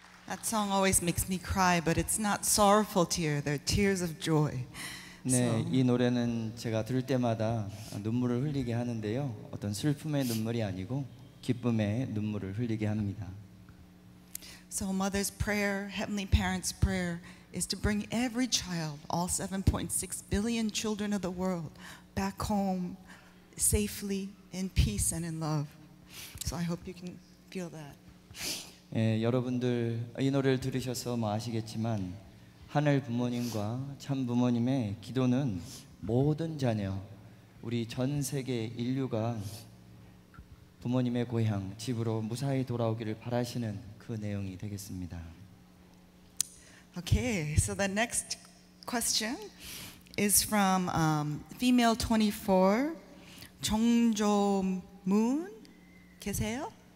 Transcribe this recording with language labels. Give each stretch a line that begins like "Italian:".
English: That song always makes me cry, but it's not sorrowful tears. They're tears of joy. 네, so.
Korean: 이 노래는 제가 들을 때마다 눈물을 흘리게 하는데요. 어떤 슬픔의 눈물이 아니고 기쁨의 눈물을 흘리게 합니다.
English: So mother's prayer, heavenly parents' prayer, is to bring every child, all 7.6 billion children of the world, back home safely, in peace and in love. So I hope you can feel that.
Korean: 예, 여러분들 이 노래를 들으셔서 뭐 아시겠지만 하늘 부모님과 참 부모님의 기도는 모든 자녀, 우리 전 세계 인류가 부모님의 고향, 집으로 무사히 돌아오기를 바라시는 그 내용이 되겠습니다.
English: Okay, so the next question is from female 24, 정조문
Korean: 계세요?